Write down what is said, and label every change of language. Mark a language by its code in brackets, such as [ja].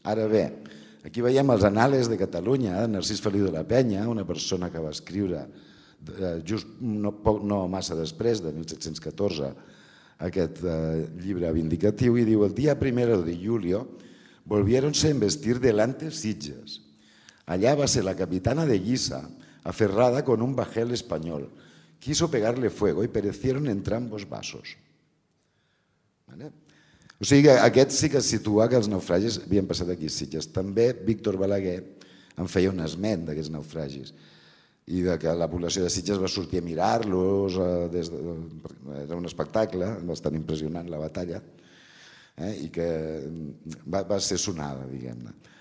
[ca] Ara bé, aquí veiem els anales de Catalunya, de Narcís Feliu de la Penya, una persona que va escriure just no massa després, de 1714, aquest llibre vindicatiu, i diu: [es] el dia 1 de julio volvieronse a embestir delante Sitges. Allá va ser la capitana de guisa, aferrada con un bajel español. Quiso pegarle fuego y perecieron entre ambos vasos. ¿Vale? [ca] O sigui que aquest sí que situa que els naufragis havien passat aquí a Sitges. També Víctor Balaguer en feia un esment d'aquests naufragis i de que la població de Sitges va sortir a mirar-los, era un espectacle bastant impressionant, la batalla, i que va ser sonada, diguem-ne.